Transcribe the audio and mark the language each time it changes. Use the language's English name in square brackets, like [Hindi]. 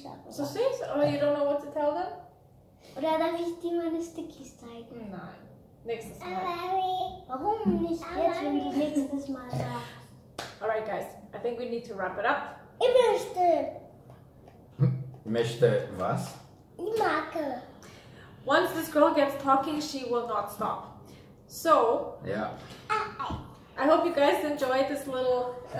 [English] So say so, you don't know what to tell them? [German] Oder darf ich dir meine Stickies zeigen? Nein. Nächstes Mal. Warum nicht jetzt, wenn die nächstes Mal da? [English] Alright guys, I think we need to wrap it up. [German] Ich möchte. Möchte was? Ich mag. [English] Once this girl gets talking, she will not stop. So. Yeah. I hope you guys enjoyed this little